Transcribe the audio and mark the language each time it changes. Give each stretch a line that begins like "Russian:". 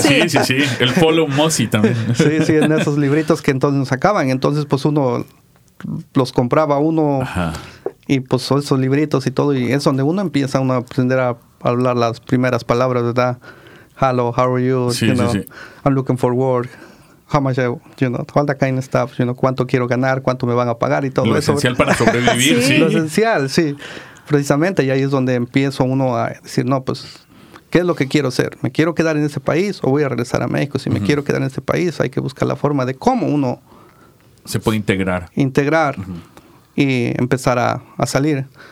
Spanish: Sí, sí, sí. El Follow Mossy también. Sí, sí, en esos libritos que entonces nos sacaban. Entonces pues uno los compraba uno. Ajá. Y pues esos libritos y todo. Y es donde uno empieza uno a aprender a hablar las primeras palabras, ¿verdad?
English: Hello, how are you?
Spanish: Sí,
English: you know,
Spanish: sí, sí.
English: I'm looking for work. How much I, you know, all that kind of stuff. You know,
Spanish: cuánto quiero ganar, cuánto me van a pagar y todo lo eso. Lo esencial para sobrevivir, sí. Lo esencial, sí. Precisamente, y ahí es donde empiezo uno a decir, no, pues, ¿qué es lo que quiero hacer? ¿Me quiero quedar en ese país o voy a regresar a México? Si me quiero quedar en ese país, hay que buscar la forma de cómo uno se puede integrar. Integrar y empezar a salir.